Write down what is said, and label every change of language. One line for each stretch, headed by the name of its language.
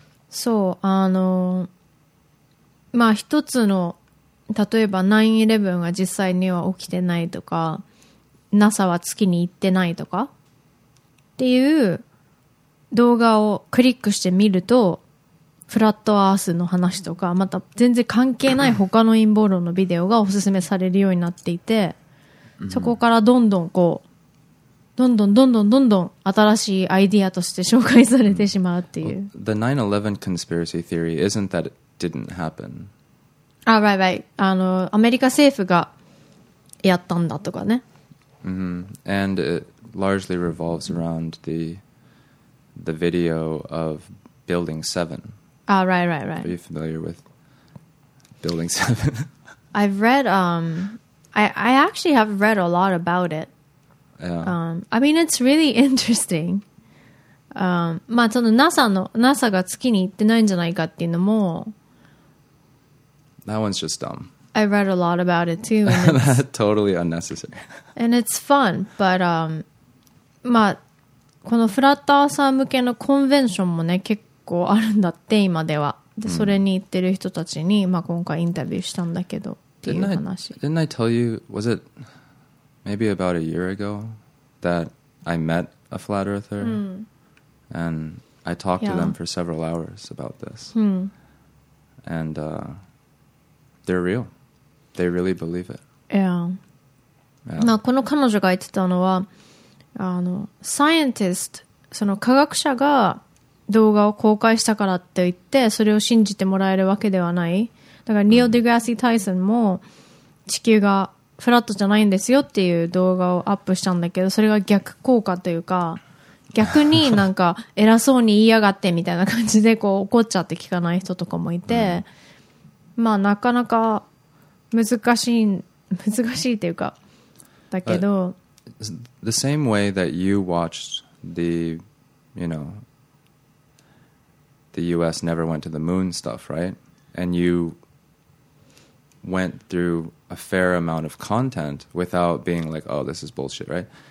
Japanese: そう、あの、まあ一つの、例えば 9-11 が実際には起きてないとか、NASA は月に行ってないとかっていう動画をクリックしてみると、フラットアースの話とか、また全然関係ない他の陰謀論のビデオがおすすめされるようになっていて、そこからどんどんこうどんどんどんどんどんどん新しいアイディアとして紹介されてしまうっていう。
English: The 9-11 conspiracy theory isn't that it didn't happen. Ah, right, right.
Japanese: あの、アメリカ政府がやったんだとかね。
English: And it largely revolves around the video of Building 7. Ah, right, right, right. Are you familiar with Building 7? I've read, I actually have read a lot about it. Yeah. I mean, it's really interesting.
Japanese: まあ、その NASA が月に行ってないんじゃないかっていうのも、
English: that one's just dumb. I read a lot about it too. That's totally unnecessary. And it's fun, but,
Japanese: まあ、このフラットアーサー向けのコンベンションもね、結構あるんだって今では。で、それに行ってる人たちに、まあ、今回インタビューしたんだけどっていう話。
English: Didn't I tell you, was it maybe about a year ago that I met a flat earther? And I talked to them for several hours about this. And they're real. They really believe it. Yeah.
Japanese: なんかこの彼女が言ってたのは、あのサイエンティスト、その科学者が動画を公開したからって言ってそれを信じてもらえるわけではない。だからニール・デグラッシ・タイソンも地球がフラットじゃないんですよっていう動画をアップしたんだけど、それが逆効果というか、逆になんか偉そうに言いやがってみたいな感じでこう怒っちゃって聞かない人とかもいて、うん、まあなかなか難しいというかだけど、
English: The same way that you watched the, you know, the US never went to the moon stuff, right? And you went through a fair amount of content without being like, oh, this is bullshit, right?